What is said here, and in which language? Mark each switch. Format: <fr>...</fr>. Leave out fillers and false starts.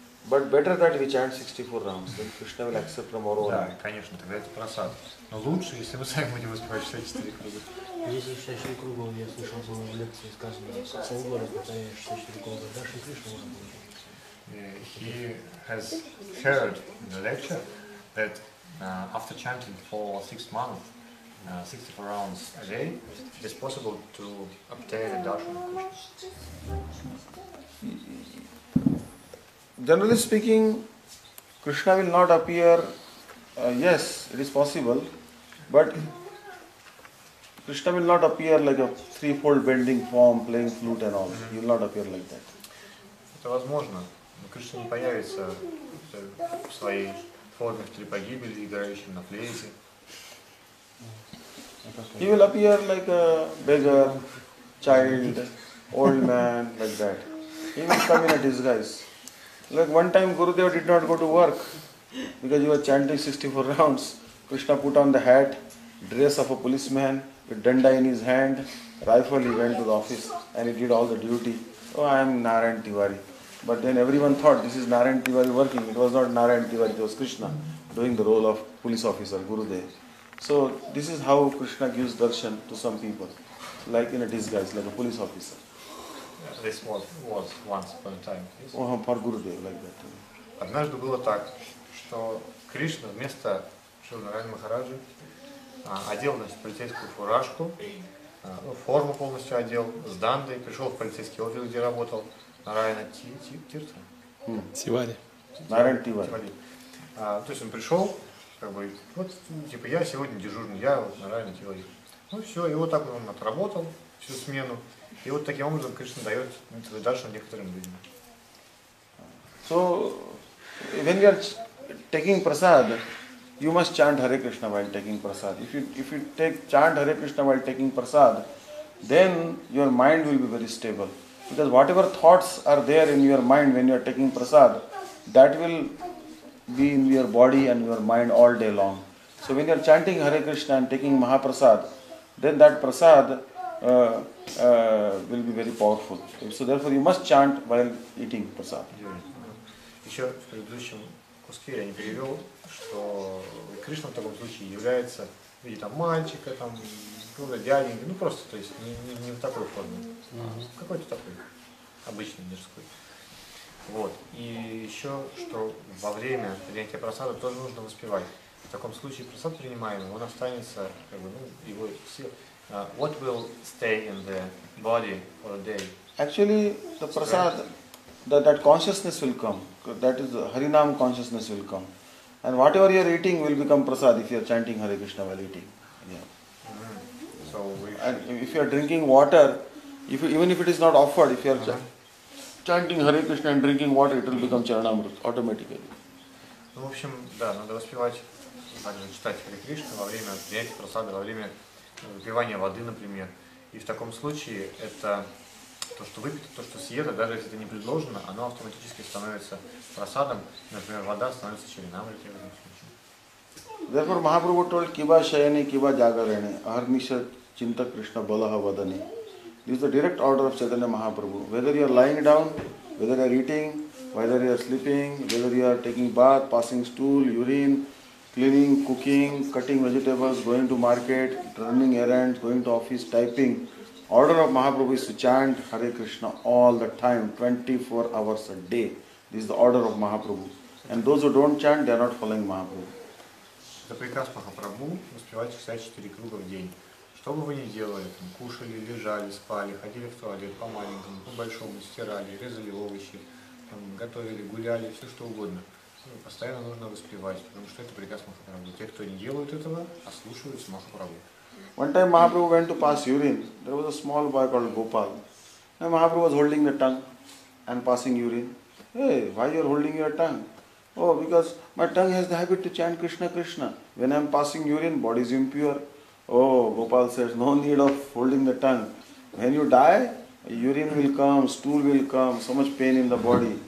<en>But better that we chant 64 rounds, then Krishna will accept from our own.</en> <ru>Да, конечно, тогда это просад. Но лучше, если мы сами будем успевать 64 круга. Если 64 круга, я слышал, что в лекции сказано, что целый город повторяет 64 круга, тогда Шри Кришна может получить.</ru> <en>He has heard in the lecture that after chanting for 6 months, 64 rounds a day, it is possible to obtain a darshan of Generally speaking, Krishna will not appear, yes, it is possible, but Krishna will not appear like a threefold bending form, playing flute and all. He will not appear like that. Это возможно, но Кришна не появится в своей форме в три погибели, играющем на флейте. He will appear like a beggar, child, old man, like that. He will come in a disguise. Like one time Gurudev did not go to work because he was chanting 64 rounds. Krishna put on the hat, dress of a policeman, with danda in his hand, rifle, he went to the office and he did all the duty. Oh, I am Narayan Tiwari. But then everyone thought this is Narayan Tiwari working. It was not Narayan Tiwari, it was Krishna doing the role of police officer, Gurudev. So this is how Krishna gives darshan to some people, like in a disguise, like a police officer. This was once upon a time. Oh, for Gurudev, like that.</en> <ru>Однажды было так, что Кришна вместо Шри Нараяна Махараджи одел на себя полицейскую фуражку, форму полностью одел, с дандой, пришел в полицейский офис, где работал Нараяна Тиртха. Тивари. Нараяна Тивари. То есть он пришел, как бы, вот, типа, я сегодня дежурный, я вот Нараяна Тивари. Ну все, и вот так он отработал всю смену. И вот таким образом Кришна дает даршан некоторым людям.</ru> <en>So, when you are taking prasad, you must chant Hare Krishna while taking prasad. If you chant Hare Krishna while taking prasad, then your mind will be very stable. Because whatever thoughts are there in your mind when you are taking prasad, that will be in your body and your mind all day long. So when you are chanting Hare Krishna and taking Mahaprasad, then that prasad will be very powerful. So therefore you must chant while eating prasad.</en> <ru>Еще в предыдущем куске я не перевел, что Кришна в таком случае является в виде там мальчика, там, дяденьки, ну просто, то есть не в такой форме, а в какой-то такой обычной мирской. Вот. И еще, что во время принятия прасада тоже нужно воспевать. В таком случае прасад принимаемый, он останется, как бы, ну, его сил.</ru> <en>What will stay in the body for a day? Actually, the prasad, that consciousness will come. That is the Harinam consciousness will come. And whatever you are eating will become prasad if you are chanting Hare Krishna while eating. Yeah. Mm-hmm. So and if you are drinking water, even if it is not offered, if you are chanting Hare Krishna and drinking water, it will become Charanamrut automatically.</en> <ru>Ну, в общем, да, надо воспевать, также читать Хари Кришну во время приятий, просады, во время выпивания воды, например. И в таком случае это то, что выпито, то, что съедо, даже если это не предложено, оно автоматически становится просадом. Например, вода становится Чаринамритой в этом случае.</ru> <en>Therefore, Mahaprabhu told</en> <sa>Kiba Shayani, Kiba Jagarani, Ahrnisha Chinta Krishna Balaha Vadani.</sa> <en>This is the direct order of Chaitanya Mahaprabhu. Whether you are lying down, whether you are eating, whether you are sleeping, whether you are taking bath, passing stool, urine, cleaning, cooking, cutting vegetables, going to market, running errands, going to office, typing. Order of Mahaprabhu is to chant Hare Krishna all the time, 24 hours a day. This is the order of Mahaprabhu. And those who don't chant, they are not following Mahaprabhu.</en> <ru>Это приказ Махапрабху, успевать 64 круга в день. Что бы вы ни делали, там, кушали, лежали, спали, ходили в туалет по маленькому, по большому, стирали, резали овощи, готовили, гуляли, все что угодно. Постоянно нужно воспевать, потому что это приказ Махапрабху. Те, кто не делают этого, ослушиваются Махапрабху.</ru> <en>One time Mahaprabhu went to pass urine. There was a small boy called Gopal. And Mahaprabhu was holding the tongue and passing urine. Hey, why you are holding your tongue? Oh, because my tongue has the habit to chant Krishna Krishna. When I am passing urine, body is impure. Oh, Gopal says, no need of holding the tongue. When you die, urine will come, stool will come, so much pain in the body.</en>